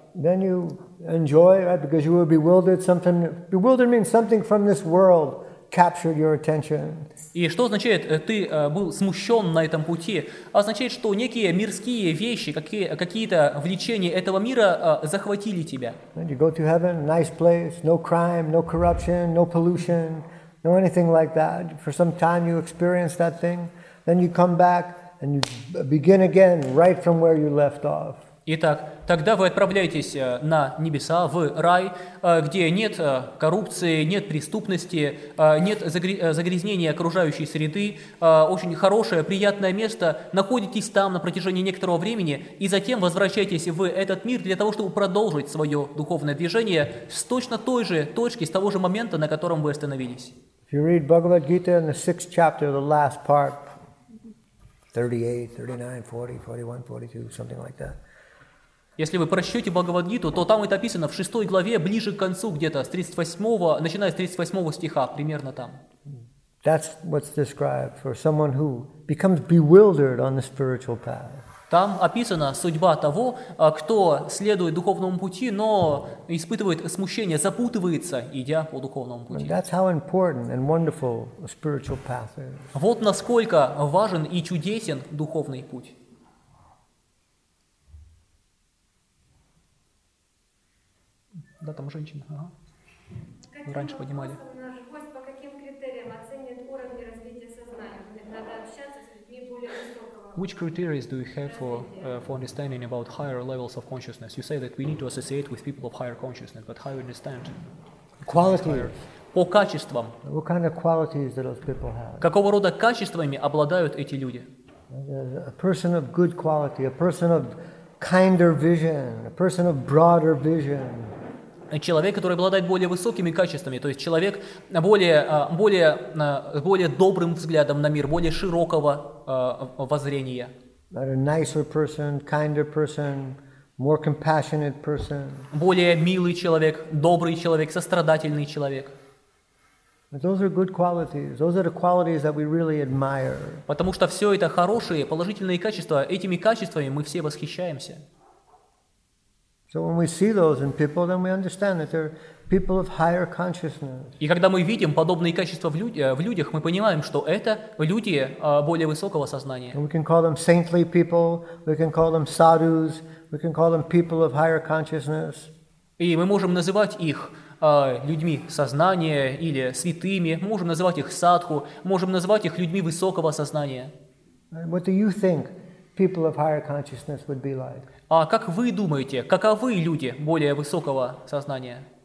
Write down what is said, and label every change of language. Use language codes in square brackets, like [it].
[en] Then you enjoy, right, because you were bewildered. Something bewildered means something from this world captured your attention. [ru] И что означает «ты был смущен на этом пути»? Означает, что некие мирские вещи, какие-то влечения этого мира захватили тебя. [en] And you go to heaven, nice place, no crime, no corruption, no pollution, no anything like that. For some time you experience that thing, then you come back and you begin again right from where you left off. [ru] Итак, тогда вы отправляетесь на небеса, в рай, где нет коррупции, нет преступности, нет загрязнения окружающей среды, очень хорошее, приятное место, находитесь там на протяжении некоторого времени, и затем возвращаетесь в этот мир для того, чтобы продолжить свое духовное движение с точно той же точки, с того же момента, на котором вы остановились. [en] If you read Bhagavad Gita in the sixth chapter, the last part, 38, 39, 40, 41, 42, something like that. [ru] Если вы прочтете Бхагавад-гиту, то там это описано в 6 главе, ближе к концу, где-то с 38, начиная с 38 стиха, примерно там. [en] That's what's described for someone who becomes bewildered on the spiritual path. [ru] Там описана судьба того, кто следует духовному пути, но испытывает смущение, запутывается, идя по духовному пути. [en] And that's how important and wonderful a spiritual path is. [ru] Вот насколько важен и чудесен духовный путь. Да, там женщина. Ага. Раньше поднимали. Наш гость по каким критериям оценит уровень развития сознания? Надо общаться с людьми более высокого. [en] Which criteria do you have for understanding about higher levels of consciousness? You say that we need to associate with people of higher consciousness, but how you understand? Quality. [ru] По качествам. [en] What kind of qualities do those people have? [ru] Какого рода качествами обладают эти люди? [en] A person of good quality, a person of kinder vision, a person of broader vision. [ru] Человек, который обладает более высокими качествами, то есть человек более добрым взглядом на мир, более широкого воззрения. [en] A nicer person, kinder person, more compassionate person. [ru] Более милый человек, добрый человек, сострадательный человек. [en] Those are good qualities. Those are the qualities that we really admire. [ru] Потому что все это хорошие, положительные качества. Этими качествами мы все восхищаемся. [en] So when we see those in people, then we understand that they're people of higher consciousness. [ru] И когда мы видим подобные качества в людях, мы понимаем, что это люди более высокого сознания. [en] And we can call them saintly people, we can call them sadhus, we can call them people of higher consciousness. [ru] И мы можем называть их людьми сознания или святыми, можем называть их садху, можем называть их людьми высокого сознания. [en] What do you think people of higher consciousness would be like? [ru] А как вы думаете, каковы люди более высокого сознания?